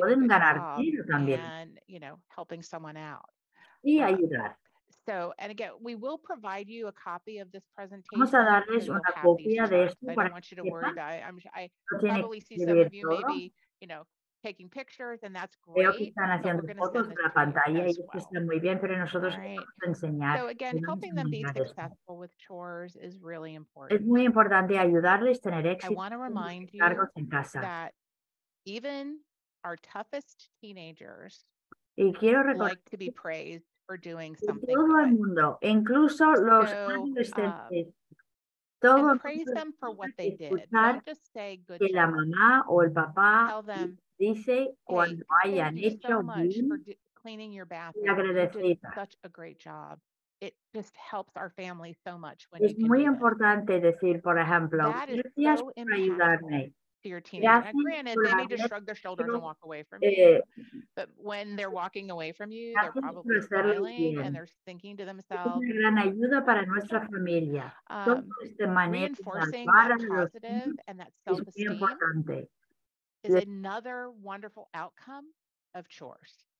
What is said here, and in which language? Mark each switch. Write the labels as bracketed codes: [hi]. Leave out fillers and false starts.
[es] Pueden ganar dinero también. [en] And you know, helping someone out. [es] Y ayudar. [en] So, and again, we will provide you a copy of this presentation. [es] Vamos a darles una copia de esto. [en] I don't want you to worry about it. I probably see some of you maybe, you know, taking pictures, and that's great. [es] Veo que están haciendo fotos de la pantalla y esto está muy bien, pero nosotros vamos a enseñar. [en] So again, helping them be successful with chores is really important. [es] Es muy importante ayudarles a tener éxito. [en] I want to remind you that even our toughest teenagers [es] y quiero recordar, [en] like to be praised for doing something. [es] Todo el mundo, incluso los adolescentes. Todo [en] and praise them for what they did. Not just say good job. [es] Que la mamá o el papá dice cuando hayan hecho bien. [en] Cleaning your bathroom. You did such a great job. It just helps our family so much. When [es] es muy importante decir, por ejemplo, gracias por ayudarme. [en] Granted, they need to shrug their shoulders and walk away from you. But when they're walking away from you, they're probably smiling and they're thinking to themselves. [es] Es una gran ayuda para nuestra familia. [en] Reinforcing that positive and that self-esteem is another wonderful outcome of chores.